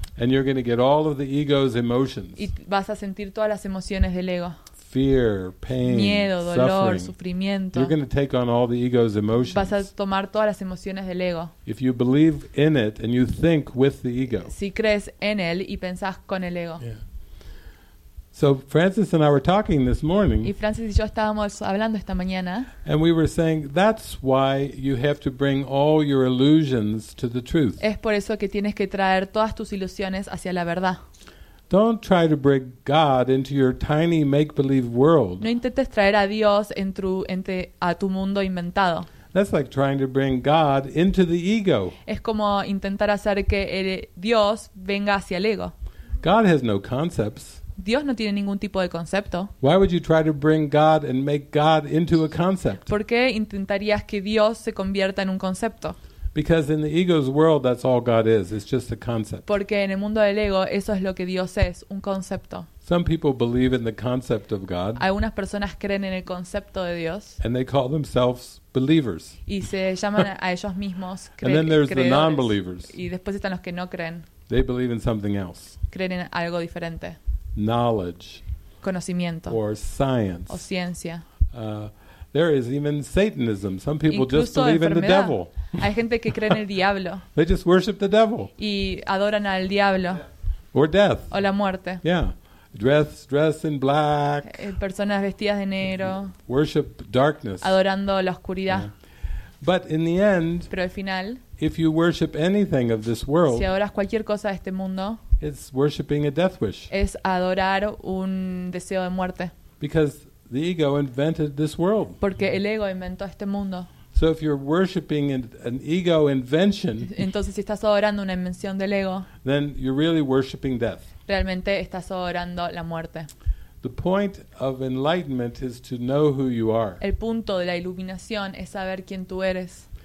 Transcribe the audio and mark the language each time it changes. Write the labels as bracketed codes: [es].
[en] And you're going to get all of the ego's emotions. [es] Y vas a sentir todas las emociones del ego. [en] Fear, pain, [es] miedo, dolor, [en] suffering. [es] Sufrimiento. [en] You're going to take on all the ego's emotions. [es] Vas a tomar todas las emociones del ego. [en] If you believe in it and you think with the ego. [es] Si crees en él y pensás con el ego. [en] Yeah. So Francis and I were talking this morning. [es] Y Francis y yo estábamos hablando esta mañana. [en] And we were saying that's why you have to bring all your illusions to the truth. [es] Es por eso que tienes que traer todas tus ilusiones hacia la verdad. [en] Don't try to bring God into your tiny make-believe world. [es] No intentes traer a Dios a tu mundo inventado. [en] That's like trying to bring God into the ego. [es] Es como intentar hacer que Dios venga hacia el ego. [en] God has no concepts. [es] Dios no tiene ningún tipo de concepto. [en] Why would you try to bring God and make God into a concept? [es] ¿Por qué intentarías que Dios se convierta en un concepto? [en] Because in the ego's world, that's all God is. It's just a concept. [es] Porque en el mundo del ego, eso es lo que Dios es, un concepto. [en] Some people believe in the concept of God. [es] Algunas personas creen en el concepto de Dios. [en] And they call themselves believers. [es] Y se llaman a ellos mismos creyentes. [en] And then there's the non-believers. [es] Y después están los que no creen. [en] They believe in something else. [es] Creen en algo diferente. [en] Knowledge. [es] Conocimiento. [en] Or science. [es] O ciencia. [en] There is even Satanism. Some people [es] incluso [en] just believe [es] enfermedad. [en] In the devil. [es] Hay gente que cree en el diablo. [en] They just worship the devil. [es] Y adoran al diablo. [en] Yeah. Or death. [es] O la muerte. [en] Yeah. Dress in black. [es] Personas vestidas de negro. [en] Worship darkness. [es] Adorando la oscuridad. [en] Yeah. But in the end, [es] pero al final, [en] if you worship anything of this world, [es] si adoras cualquier cosa de este mundo, [en] it's worshiping a death wish. [es] Es adorar un deseo de muerte. [en] Because the ego invented this world. [es] Porque el ego inventó este mundo. [en] So if you're worshiping an ego invention, [es] entonces si estás adorando una invención del ego, [en] then you're really worshiping death. [es] Realmente estás adorando la muerte. [en] The point of enlightenment is to know who you are. [es] El punto de la iluminación es saber quién tú eres.